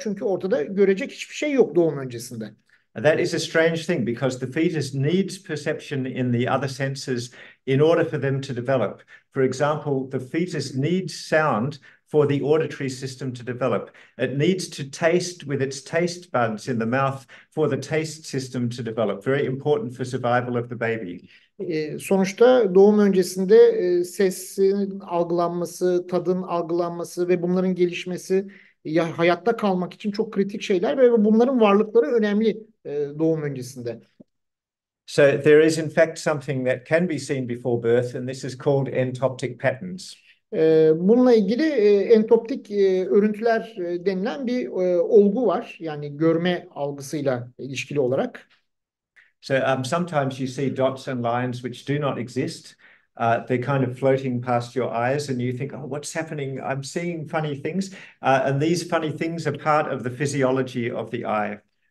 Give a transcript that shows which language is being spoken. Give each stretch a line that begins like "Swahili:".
Turkish: Çünkü ortada görecek hiçbir şey yok doğum öncesinde.
English: That is a strange thing because the fetus needs perception in the other senses in order for them to develop. For example, the fetus needs sound for the auditory system to develop. It needs to taste with its taste buds in the mouth for the taste system to develop. Very important for survival of the baby.
Turkish: Sonuçta doğum öncesinde sesin algılanması, tadın algılanması ve bunların gelişmesi ya hayatta kalmak için çok kritik şeyler ve bunların varlıkları önemli doğum öncesinde.
English: So there is in fact something that can be seen before birth, and this is called entoptic patterns.
Turkish: Bununla ilgili entoptik örüntüler denilen bir olgu var. Yani görme algısıyla ilişkili olarak.
English: So sometimes you see dots and lines which do not exist. They're kind of floating past your eyes, and you think, "Oh, what's happening? I'm seeing funny things." And these funny things are part of the physiology of the eye.